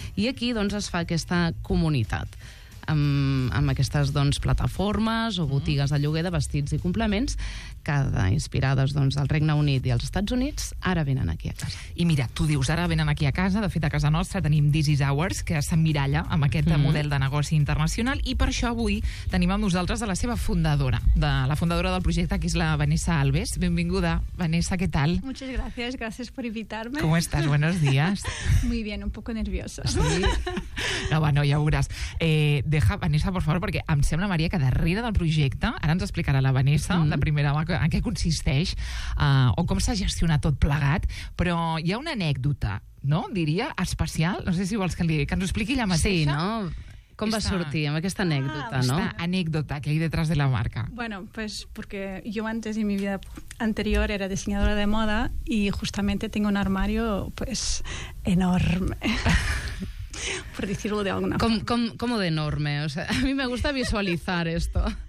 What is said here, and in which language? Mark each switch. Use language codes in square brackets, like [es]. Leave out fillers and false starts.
[ca] I aquí doncs, es fa aquesta comunitat amb aquestes doncs, plataformes o botigues de lloguer de vestits i complements que, inspirades doncs, al Regne Unit i als Estats Units, ara venen aquí a casa. I mira, tu dius, ara venen aquí a casa. De fet, a casa nostra tenim This Is Ours, que s'emmiralla amb aquest model de negoci internacional, i per això avui tenim amb nosaltres a la seva fundadora, de la fundadora del projecte, que és la Vanessa Alves. Benvinguda, Vanessa, què tal? [es] Muchas gracias, gracias por invitarme. ¿Cómo estás? Buenos días. Muy bien, un poco nerviosa. [ca] Sí. No, bueno, ja ho veuràs. [es] Deja, Vanessa, por favor, [ca] perquè em sembla, Maria, que darrere del projecte, ara ens explicarà la Vanessa, de primera mà, en què consisteix o com s'ha gestionat tot plegat, però hi ha una anècdota, no?, diria, especial, no sé si vols que ens ho expliqui ella mateixa. Sí, no? Com va sortir amb aquesta anècdota, no? Aquesta anècdota que hi ha detrás de la marca. [es] Bueno, pues porque yo antes en mi vida anterior era diseñadora de moda y justamente tengo un armario, pues, enorme. Por decirlo de alguna forma. ¿Cómo de enorme? O sea, a mí me gusta visualizar esto.